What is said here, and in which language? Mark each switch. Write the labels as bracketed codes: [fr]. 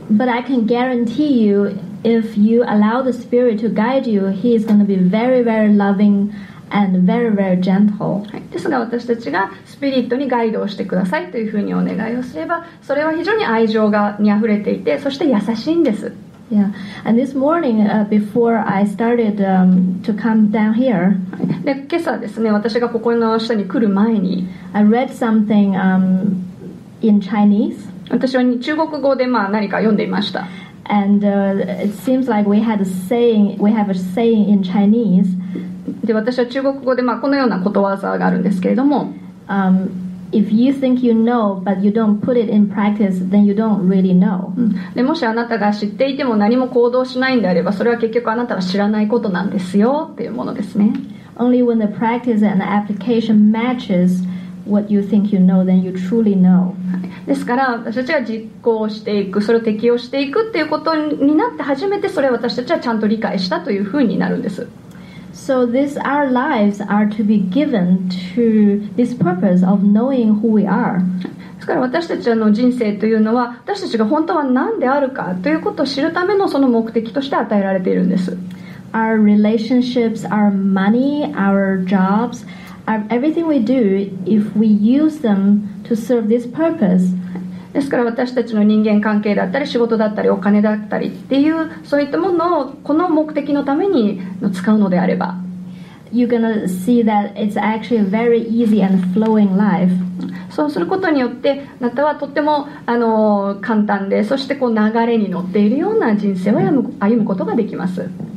[en] But I can guarantee you, if you allow the spirit to guide you, he is going to be very, very lovingAnd very, very gentle. [ja] ですが、私たちがスピリットにガイドをしてくださいというふうにお願いをすれば、それは非常に愛情がにあふれていて、そして優しいんです。 [en] Yeah. And this morning, before I started, to come down here, [ja] で、今朝ですね、私がここの下に来る前に、 [en] I read something, in Chinese. [ja] 私は中国語で、まあ、何か読んでいました。 [en] And, it seems like we have a saying in Chinese. [ja] で、私は中国語で、まあ、このようなことわざがあるんですけれども、 [en] If you think you know but you don't put it in practice, then you don't really know. [ja] で、もしあなたが知っていても何も行動しないんであれば、それは結局あなたは知らないことなんですよっていうものですね。 [en] only when the practice and the application matches what you think you know, then you truly know. [ja] ですから私たちが実行していく、それを適用していくっていうことになって初めてそれを私たちはちゃんと理解したというふうになるんです。 [en] So this, our lives are to be given to this purpose of knowing who we are. [ja] ですから私たちの人生というのは私たちが本当は何であるかということを知るためのその目的として与えられているんです。 [en] Our relationships, our money, our jobs, everything we do, if we use them to serve this purpose. [ja] ですから私たちの人間関係だったり仕事だったりお金だったりっていうそういったものをこの目的のために使うのであれば、 [en] You're gonna see that it's actually a very easy and flowing life. [ja] そうすることによってあなたはとっても簡単でそしてこう流れに乗っているような人生を歩むことができます。